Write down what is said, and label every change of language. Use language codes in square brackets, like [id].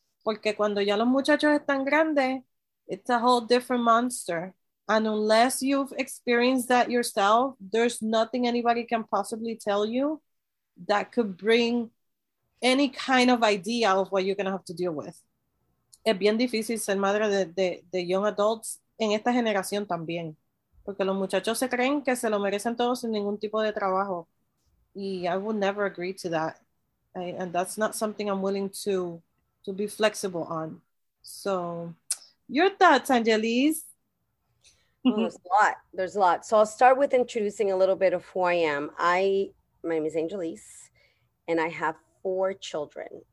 [es] Porque cuando ya los muchachos están grandes, [en] it's a whole different monster. And unless you've experienced that yourself, there's nothing anybody can possibly tell you that could bring any kind of idea of what you're going to have to deal with. [es] Es bien difícil ser madre de [en] young adults [es] en esta generación también. Porque los muchachos se creen que se lo merecen todo sin ningún tipo de trabajo. [en] Y I would never agree to that. And that's not something I'm willing to be flexible on. So, your thoughts, Angelys? Well, there's a lot. So I'll start with introducing a little bit of who I am. My name is Angelys, and I have 4 children.